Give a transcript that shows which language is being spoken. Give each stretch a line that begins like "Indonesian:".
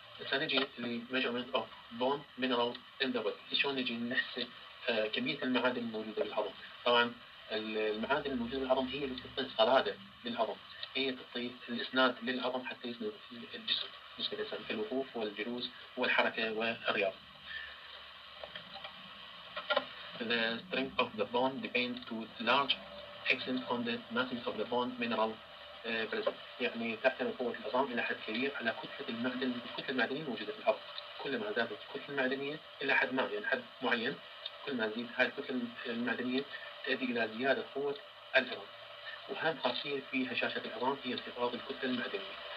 Arabic: سنجي
English: لميجرمنت of bone mineral in the body,
Arabic: شلون نجي نحسب كميه المعادن الموجوده بالعظم. طبعا المعادن الموجوده بالعظم هي اللي تعطي الصلاده للعظم، هي تعطي الاسناد للعظم حتى يسند الجسم، بالنسبه للانسان في الوقوف والجلوس والحركه والرياضه.
English: The strength of the bone depends to large extent on the masses of the bone mineral present.
Arabic: يعني تعتمد قوة العظام إلى حد كبير على كتلة المعدن، الكتلة المعدنية الموجودة في الأرض. كلما زادت الكتلة المعدنية إلى حد ما، يعني حد معين، كلما زادت هذه الكتلة المعدنية تؤدي إلى زيادة قوة العظام. وأهم خاصية في هشاشة العظام هي انخفاض الكتلة المعدنية.